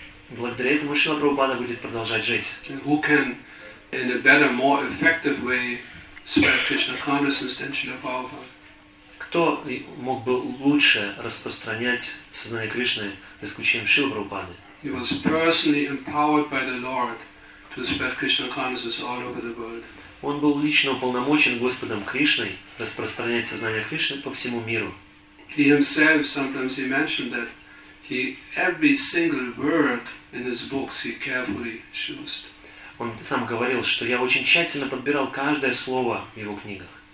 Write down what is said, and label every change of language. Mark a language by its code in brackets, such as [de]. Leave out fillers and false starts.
[ru] Благодаря этому Шрила Прабхупада будет продолжать жить. [en] In a better, more effective way, spread Krishna consciousness than Srila Prabhupada. [ru] Кто мог бы лучше распространять сознание Кришны, за исключением Шрилы Прабхупады? [en] He was personally empowered by the Lord to spread Krishna consciousness all over the world. [ru] Он был лично уполномочен Господом Кришной распространять сознание Кришны по всему миру. [en] He himself sometimes he mentioned that he every single word in his books he carefully chose. [ru] Он сам говорил, что я очень тщательно подбирал каждое слово в его книгах.